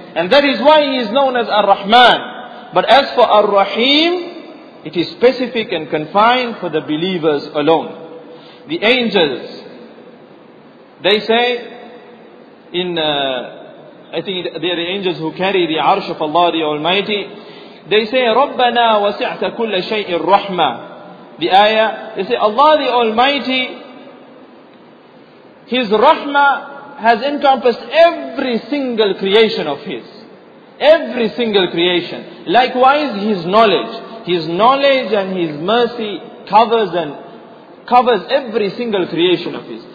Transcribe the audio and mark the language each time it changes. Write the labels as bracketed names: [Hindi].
[English] And that is why He is known as Ar-Rahman. But as for Ar-Rahim, it is specific and confined for the believers alone. The angels, they say in, I think they are the angels who carry the arsh of Allah the Almighty. They say, [Arabic] رَبَّنَا وَسِعْتَ كُلَّ شَيْءٍ رَحْمَةٍ. [English] The ayah, they say, Allah the Almighty, His rahmah has encompassed every single creation of His. Every single creation. Likewise, His knowledge. His knowledge and His mercy covers every single creation of His.